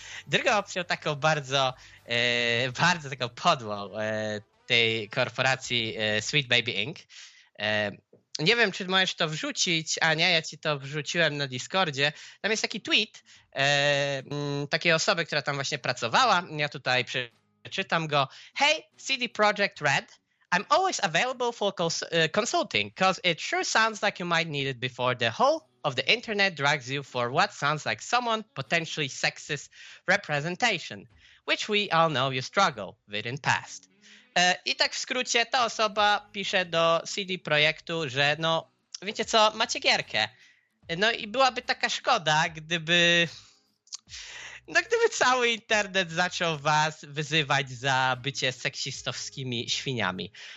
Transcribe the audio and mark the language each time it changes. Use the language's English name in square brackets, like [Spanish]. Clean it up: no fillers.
[Polish] Drugą opcją taką bardzo, bardzo taką podłą tej korporacji Sweet Baby Inc. Nie wiem, czy możesz to wrzucić, Ania, ja ci to wrzuciłem na Discordzie. Tam jest taki tweet takiej osoby, która tam właśnie pracowała. Ja tutaj przeczytam go. [English] Hey, CD Projekt Red, I'm always available for consulting, because it sure sounds like you might need it before the whole of the internet drags you for what sounds like someone potentially sexist representation, which we all know you struggle with in past. [Polish] I tak w skrócie, ta osoba pisze do CD Projektu, że no, wiecie co, macie gierkę. No i byłaby taka szkoda, gdyby cały internet zaczął was wyzywać za bycie seksistowskimi świniami.